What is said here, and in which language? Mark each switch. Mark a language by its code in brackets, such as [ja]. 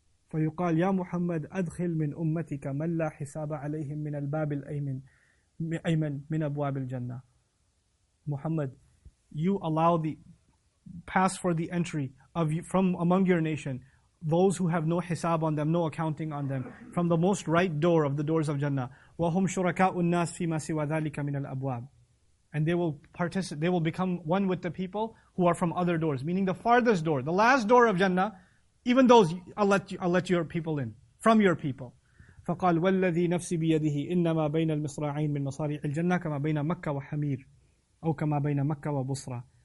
[ar] فيقال يا محمد أدخل من أمتك من لا حساب عليهم من الباب الأيمن أيمن من أبواب الجنة. [en] Muhammad, you allow the pass for the entry of you from among your nation, those who have no hisab on them, no accounting on them, from the most right door of the doors of Jannah. [ar] وهم شركاء الناس فيما سوى ذلك من الأبواب. [en] And they will participate, they will become one with the people who are from other doors, meaning the farthest door, the last door of Jannah, even those I'll let your people in, from your people. [ar] فَقَالْ وَالَّذِي نَفْسِ بِيَدِهِ إِنَّمَا بَيْنَ الْمِصْرَعَيْنِ مِنْ مَصَارِعِ الْجَنَّةِ كَمَا بَيْنَ مَكَّةَ وَحَمِيرٍ أَوْ كَمَا بَيْنَ مَكَّةَ وَبُصْرَى.